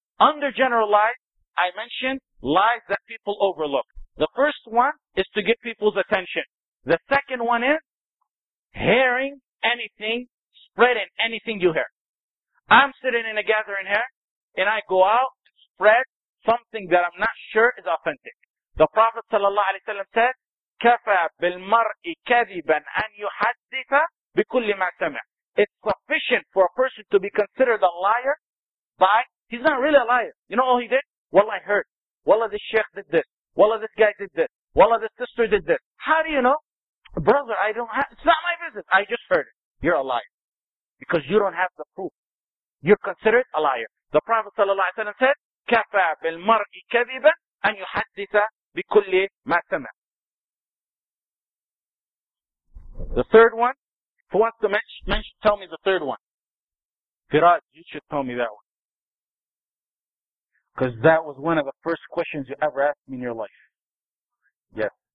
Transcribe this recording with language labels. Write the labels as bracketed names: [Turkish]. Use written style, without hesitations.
[English] Under general lies, I mentioned lies that people overlook. The first one is to get people's attention. The second one is hearing anything, spreading anything you hear. I'm sitting in a gathering here, and I go out and spread something that I'm not sure is authentic. The Prophet sallallahu alaihi wasallam said, [Arabic] كَفَى بِالْمَرْءِ كَذِبًا أَنْ يُحَدِّثَ بِكُلِّ مَا سَمِعَ. [English] It's sufficient for a person to be considered a liar by, he's not really a liar. You know all he did? Well, I heard. Well, this sheikh did this. Well, this guy did this. Well, this sister did this. How do you know? Brother, I don't have, it's not my business. I just heard it. You're a liar. Because you don't have the proof. You're considered a liar. The Prophet sallallahu alaihi wasallam said, [Arabic] كَفَى بِالْمَرْءِ كَذِبًا أَنْ يُحَدِّثَ بِكُلِّ مَا سَمِعَ. [English] The third one, who wants to mention, tell me the third one. Firaz, you should tell me that one. Because that was one of the first questions you ever asked me in your life. Yes.